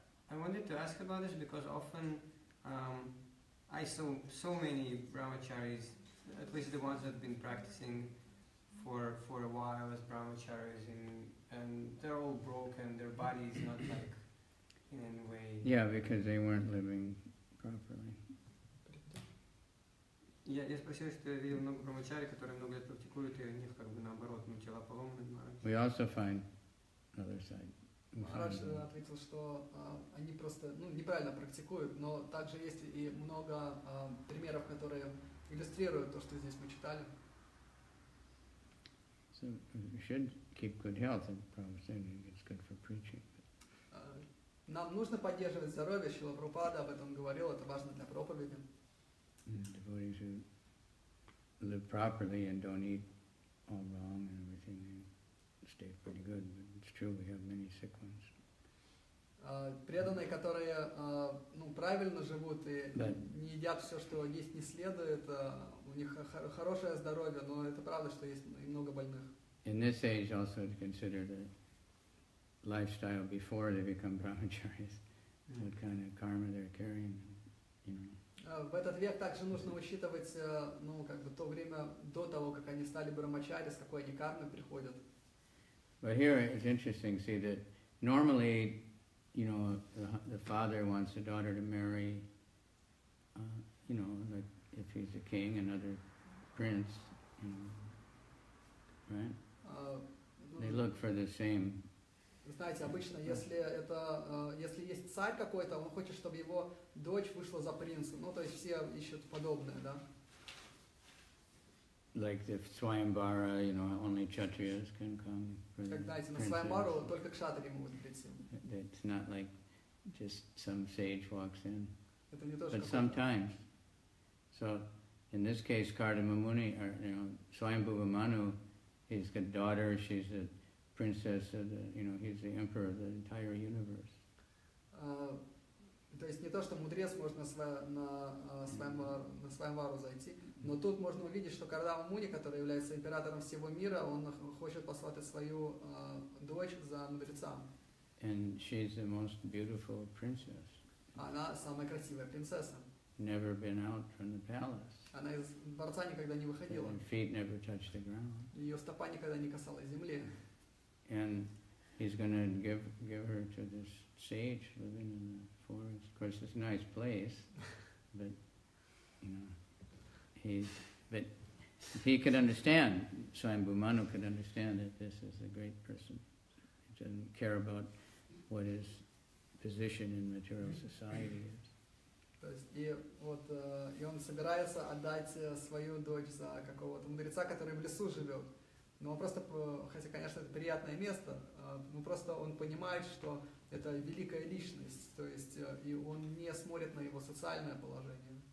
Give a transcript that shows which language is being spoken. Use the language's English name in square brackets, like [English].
[English] I wanted to ask about this because often I saw so many brahmacharis, at least the ones that have been practicing for a while as brahmacharis, and they're all broken, their body is not like in any way... Yeah, because they weren't living properly. [Russian] Я спросил, что я видел много брамачари, которые много лет практикуют, и у них как бы наоборот, ну, тела поломаны. [English] We also find another side. [Russian] Махарадж ответил, что они просто, ну, неправильно практикуют, но также есть и много примеров, которые иллюстрируют то, что здесь мы читали. [English] So we should keep good health, and probably it's good for preaching. [Russian] Нам нужно поддерживать здоровье. Шрила Прабхупада об этом говорил, это важно для проповеди. [English] And devotees who live properly and don't eat all wrong and everything, they stay pretty good. But it's true, we have many sick ones. [Russian] Преданные, которые правильно живут и не едят все, что есть, не следует, у них хорошее здоровье, но это правда, что есть много больных. [English] In this age also to consider the lifestyle before they become brahmacharis, what kind of karma they're carrying, you know. [Russian] В этот век также нужно учитывать, ну, как бы то время до того, как они стали брамачари, с какой они кармой приходят. [English] But here it's interesting, see, that normally, you know, the father wants the daughter to marry, you know, like if he's a king, another prince, you know, right? They look for the same. [Russian] Вы знаете, обычно, если это, если есть царь какой-то, он хочет, чтобы его дочь вышла за принца. Ну, то есть все ищут подобное, да? [English] Like the Swayambhara, you know, only Kshatriyas can come for the princess. [Russian] Как знаете, на Свайамбару только кшатри могут прийти. [English] It's not like just some sage walks in. [Russian] Это не то, [English] but sometimes. So, in this case, Kardama Muni, or, you know, Swayambhuva Manu, he's got daughter, she's a princess, you know, he's the emperor of the entire universe. [Russian] То есть не то, что мудрец можно на своем вару зайти, но тут можно увидеть, что Кардама Муни, который является императором всего мира, он хочет послать свою дочь за мудреца. [English] And she's the most beautiful princess. [Russian] Она самая красивая принцесса. [English] Never been out from the palace. [Russian] Она из дворца никогда не выходила. [English] And feet never touched the ground. [Russian] Ее стопа никогда не касалась земли. [English] And he's going to give her to this sage living in the forest. Of course, it's a nice place, but you know, he's but If he could understand, Swayambhu Manu could understand that this is a great person. He doesn't care about what his position in material society is. [Russian] То есть и вот и он собирается отдать свою дочь за какого-то мудреца, который в лесу живет. Но он просто, хотя, конечно, это приятное место, но просто он понимает, что это великая личность, то есть и он не смотрит на его социальное положение.